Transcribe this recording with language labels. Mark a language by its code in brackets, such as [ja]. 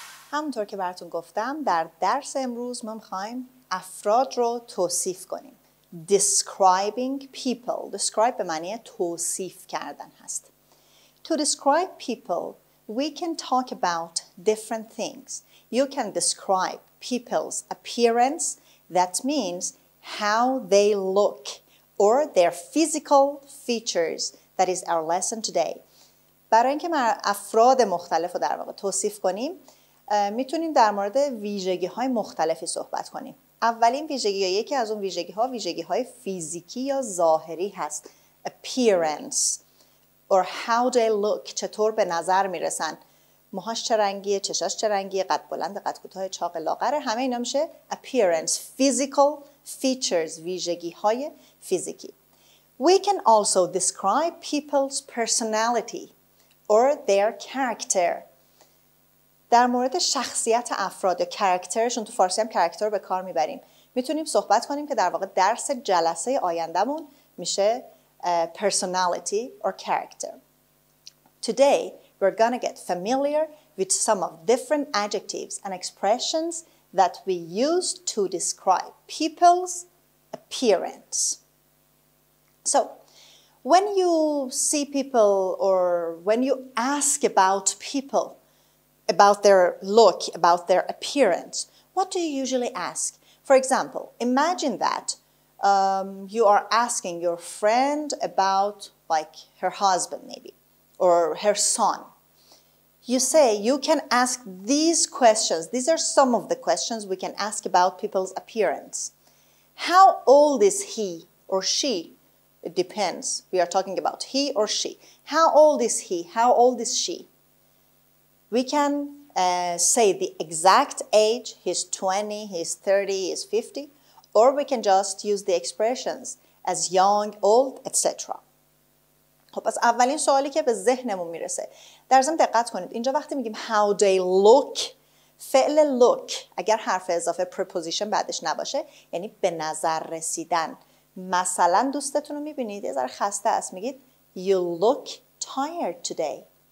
[fa] همونطور که براتون گفتم در درس امروز ما می‌خوایم افراد رو توصیف کنیم. [en] Describing people. [fa] Describe به معنی توصیف کردن هست. [en] To describe people, we can talk about different things. You can describe people's appearance. That means how they look or their physical features. That is our lesson today. [fa] برای اینکه ما افراد مختلف رو در واقع توصیف کنیم، میتونیم در مورد ویژگی های مختلفی صحبت کنیم. اولین ویژگی یا یکی از اون ویژگی ها ویژگی های فیزیکی یا ظاهری هست. [en] Appearance or how they look، [fa] چطور به نظر میرسن. موهاش چه رنگیه، چشاش چه رنگیه، قد بلند، قد کوتاه، چاق، لاغره، همه اینا میشه appearance، [en] physical features، [fa] ویژگی های فیزیکی. [en] We can also describe people's personality or their character. [fa] در مورد شخصیت افراد یا کاراکترشون، تو فارسی هم کاراکتر به کار میبریم، میتونیم صحبت کنیم که در واقع درس جلسه آیندهمون میشه [en] personality or character. Today we're gonna get familiar with some of different adjectives and expressions that we use to describe people's appearance. So when you see people or when you ask about people, about their look, about their appearance, what do you usually ask? For example, imagine that you are asking your friend about, like, her husband, maybe, or her son. You say, you can ask these questions. These are some of the questions we can ask about people's appearance. How old is he or she? It depends. We are talking about he or she. How old is he? How old is she? We can say the exact age, he's 20, he's 30, he's 50, or we can just use the expressions as young, old, etc. [fa] خب پس اولین سوالی که به ذهنمون میرسه، در ضمن دقت کنید، اینجا وقتی میگیم [en] how they look، [fa] فعل look اگر حرف اضافه preposition بعدش نباشه، یعنی به نظر رسیدن. مثلا دوستتون رو میبینید، یه ذره خسته است، میگید [en] you look tired today.